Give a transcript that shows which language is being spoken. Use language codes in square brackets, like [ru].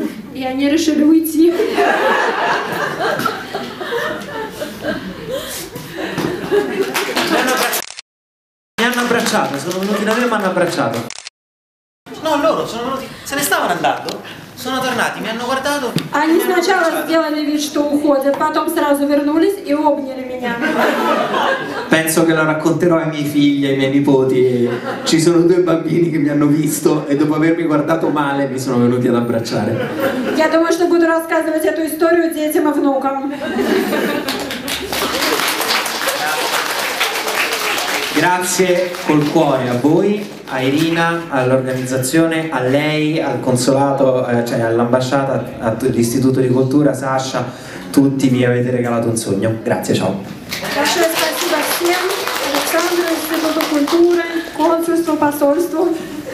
[it] Mi hanno abbracciato, sono venuti da me e mi hanno abbracciato. No, loro sono venuti, se ne stavano andando. Sono tornati, mi hanno guardato. [ru] Они сначала сделали вид, что уходят, потом сразу вернулись и обняли меня. [it] penso che la racconterò ai miei figli, ai miei nipoti. Ci sono due bambini che mi hanno visto e dopo avermi guardato male mi sono venuti ad abbracciare. [ru] Я думаю, что буду рассказывать эту историю детям и внукам. [it] Grazie col cuore a voi, a Irina, all'organizzazione, a lei, al consolato, cioè all'ambasciata, all'Istituto di Cultura, Sasha, tutti mi avete regalato un sogno. Grazie, ciao. Grazie a tutti, Alessandro, Istituto Cultura, Consolato, Pastorato.